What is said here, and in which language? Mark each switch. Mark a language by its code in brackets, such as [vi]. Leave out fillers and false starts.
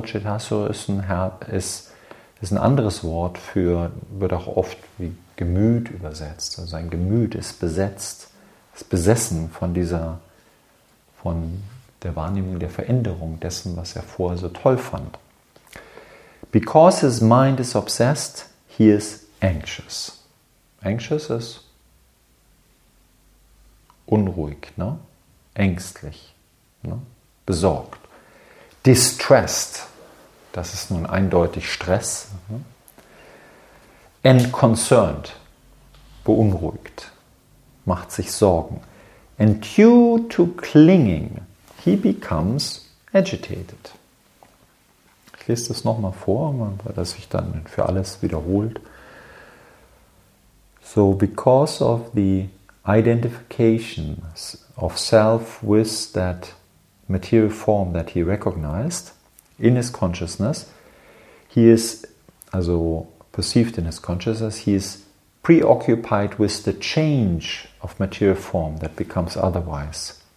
[de] Chittasso ist ein anderes Wort für, wird auch oft wie Gemüt übersetzt. Also sein Gemüt ist besetzt, ist besessen von der Wahrnehmung, der Veränderung dessen, was er vorher so toll fand. [en] Because his mind is obsessed, he is anxious. [de] Anxious ist unruhig, ne? Ängstlich, ne? Besorgt. Distressed. Das ist nun eindeutig Stress. [en] And concerned, [de] beunruhigt, macht sich Sorgen. [en] And due to clinging, he becomes agitated. [de] Ich lese das nochmal vor, weil das sich dann für alles wiederholt. [en] So, because of the identification of self with that material form that he recognized, in his consciousness, he is, also perceived in his consciousness, he is preoccupied with the change of material form that becomes otherwise.